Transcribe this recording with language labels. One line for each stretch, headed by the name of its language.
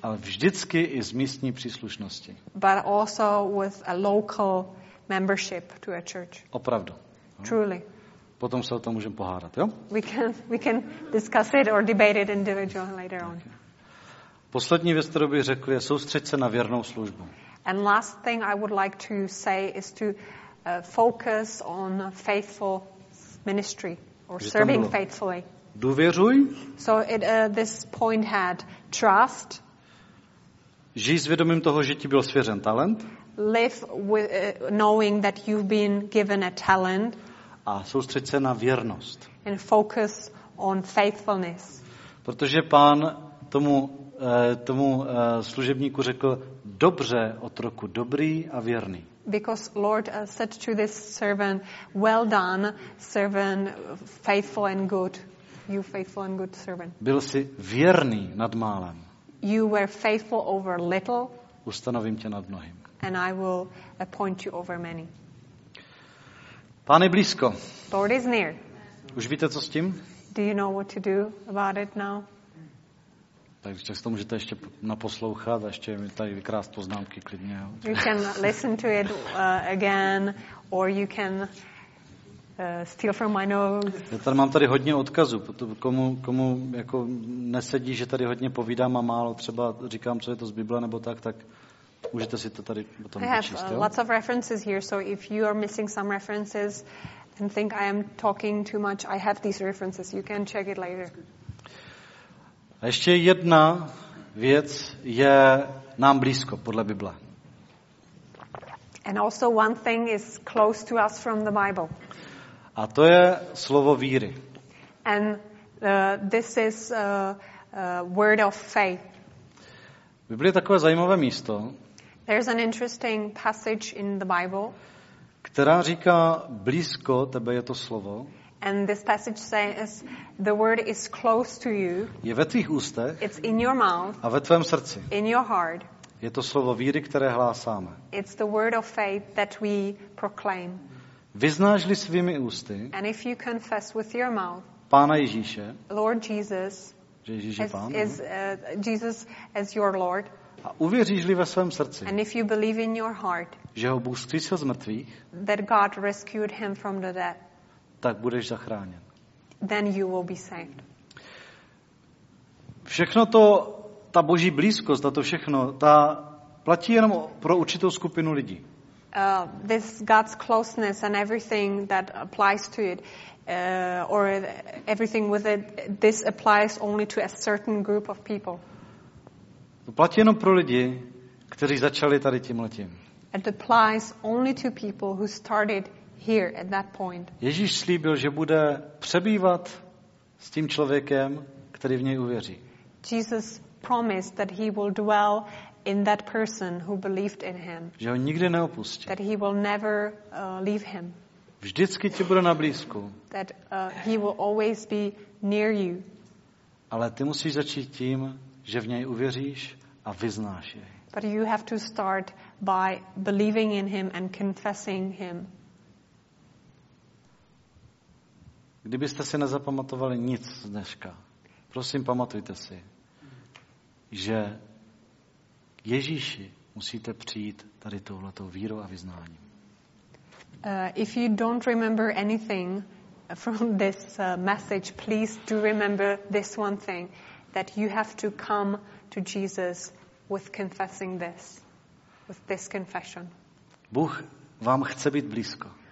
Czech: Ale vždycky i z místní příslušnosti.
English: But also with a local membership to a church.
Czech: Opravdu.
English: Truly.
Czech: Potom se o tom můžeme pohádat, jo?
English: We can discuss it or debate it individually later on.
Czech: Poslední věc, kterou bych řekl, je soustředit se na věrnou službu.
English: And last thing I would like to say is to focus on faithful ministry or serving faithfully.
Czech: Důvěřuj.
English: So it this point had trust.
Czech: Žij s vědomím toho, že ti byl svěřen talent.
English: Live with knowing that you've been given a talent.
Czech: a soustředit se na věrnost.
English: And focus on faithfulness.
Czech: Protože pán tomu služebníku řekl dobře otroku, dobrý a věrný.
English: Because Lord said to this servant, well done, servant, faithful and good. You faithful and good servant.
Czech: Byl jsi věrný nad málem.
English: You were faithful over little.
Czech: Ustanovím tě nad mnohým.
English: And I will appoint you over many.
Czech: Pán je blízko.
English: Lord is near.
Czech: Už víte, co s tím?
English: Do you know what to do about it now?
Czech: Tak často můžete ještě naposlouchat a ještě mi tady vykrást poznámky klidně.
English: You can listen to it again or you can steal from my notes.
Czech: Já tady mám tady hodně odkazů, komu jako nesedí, že tady hodně povídám a málo třeba říkám, co je to z Bible nebo tak můžete si to tady potom vyčíst.
English: I have lots of references here, so if you are missing some references and think I am talking too much, I have these references. You can check it later.
Czech: A ještě jedna věc je nám blízko podle Bible.
English: And also one thing is close to us from the Bible.
Czech: A to je slovo víry.
English: And this is word of faith.
Czech: Bible je takové zajímavé místo.
English: There's an interesting passage in the Bible.
Czech: Která říká blízko tebe je to slovo.
English: And this passage says the word is close to you.
Czech: Je ve tvých ústech.
English: It's in your mouth.
Czech: A ve tvém srdci.
English: In your heart.
Czech: Je to slovo víry, které hlásáme.
English: It's the word of faith that we proclaim.
Czech: Vyznáš-li svými ústy.
English: And if you confess with your mouth.
Czech: Pána Ježíše.
English: Lord Jesus.
Czech: Že Ježíš je pán.
English: Is Jesus as your Lord.
Czech: A uvěříš-li ve svém srdci.
English: And if you believe in your heart.
Czech: Že ho Bůh vzkřísil z mrtvých.
English: That God rescued him from the dead.
Czech: Tak budeš zachráněn.
English: Then you will be saved.
Czech: Všechno to, ta boží blízkost, a to všechno, ta platí jenom pro určitou skupinu lidí.
English: This God's closeness and everything that applies to it, or everything with it, this applies only to a certain group of people.
Czech: To platí jenom pro lidi, kteří začali tady tímhletím.
English: It applies only to people who started here at that point.
Czech: Ježíš slíbil, že bude přebývat s tím člověkem, který v něj uvěří.
English: Jesus promised that he will dwell in that person who believed in him.
Czech: Že ho nikdy neopustí.
English: That he will never leave him.
Czech: Vždycky ti bude na blízku.
English: That he will always be near you.
Czech: Ale ty musíš začít tím, že v něj uvěříš a vyznáš jej.
English: But you have to start by believing in him and confessing him.
Czech: Kdybyste si nezapamatovali nic z dneška, prosím, pamatujte si, že Ježíši musíte přijít tady touhletou vírou a vyznáním.
English: If you don't remember anything from this message, please do remember this one thing, that you have to come to Jesus with confessing this, with this confession.
Czech: Bůh vám chce být blízko.